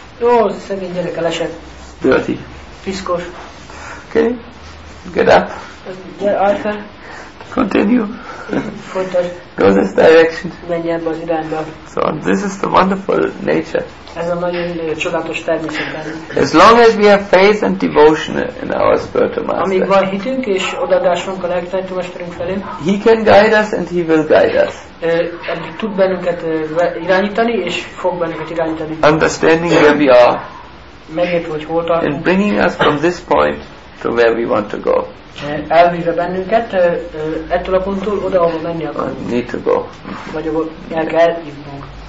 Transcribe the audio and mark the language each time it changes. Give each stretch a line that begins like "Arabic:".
Hungarian: Oh, szegény gyerek elesett.
English: Dirty.
Hungarian: Piszkos.
English: Okay. Get up. Arthur. Continue.
Hungarian: Folytasd.
English: Go this direction.
Hungarian: Menj ebbe az irányba.
English: So this is the wonderful nature.
Hungarian: Ez a nagyon csodálatos természet.
English: As long as we have faith and devotion in our spiritual master.
Hungarian: Amíg van hitünk és odaadásunk a legtöbb mesterünk felé.
English: He can guide us and he will guide us.
Hungarian: Tud bennünket irányítani és fog bennünket irányítani.
English: Understanding where we are.
Hungarian: Megért, hogy hol tartunk.
English: And bringing us from this point to where we want to go.
Hungarian: Elvíve bennünket ettől a ponttól oda, ahova menni akarunk.
English: I need to go.
Hungarian: Vagy ahol el kell jutnunk.